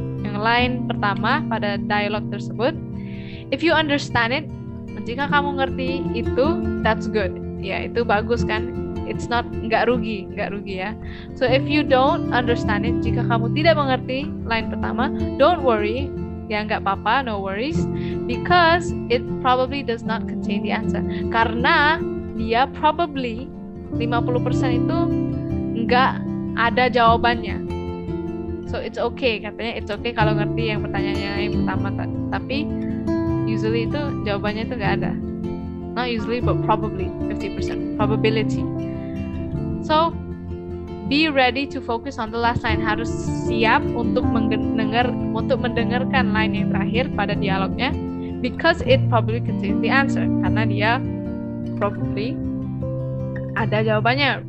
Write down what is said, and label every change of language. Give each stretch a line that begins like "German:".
Indonesian: Yang line pertama pada dialogue tersebut.
English: If you understand it,
Indonesian: jika kamu ngerti itu,
English: that's good.
Indonesian: Ya, itu bagus kan?
English: It's not,
Indonesian: nggak rugi ya.
English: So if you don't understand it,
Indonesian: jika kamu tidak mengerti line pertama,
English: don't worry,
Indonesian: ya nggak apa-apa,
English: no worries, because it probably does not contain the answer.
Indonesian: Karena dia probably 50% itu nggak ada jawabannya.
English: So it's okay,
Indonesian: katanya
English: it's okay
Indonesian: kalau ngerti yang pertanyaannya yang pertama, tapi usually itu jawabannya itu nggak ada.
English: Not usually, but probably 50% probability. So, be ready to focus on the last line.
Indonesian: Harus siap untuk mendengarkan line yang terakhir pada dialognya,
English: because it probably contains the answer.
Indonesian: Karena dia probably ada jawabannya.